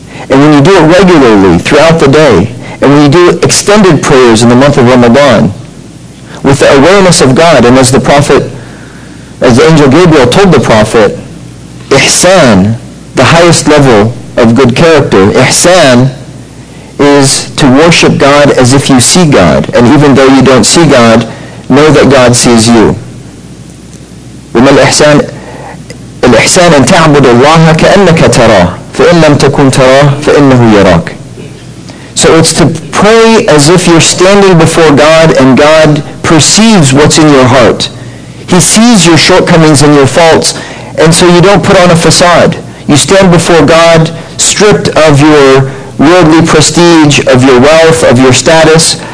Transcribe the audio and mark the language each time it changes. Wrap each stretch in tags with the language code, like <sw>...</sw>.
<en>and when you do it regularly throughout the day, and when you do extended prayers in the month of Ramadan with the awareness of God, and as the angel Gabriel told the Prophet, ihsan, the highest level of good character, ihsan is to worship God as if you see God, and even though you don't see God, know that God sees you.</en> <ar>الإحسان أن تعبد الله كأنك تراه فإن لم تكن تراه فإنه يراك.</ar> <en>So it's to pray as if you're standing before God and God perceives what's in your heart. He sees your shortcomings and your faults, and so you don't put on a facade. You stand before God stripped of your worldly prestige, of your wealth, of your status.</en>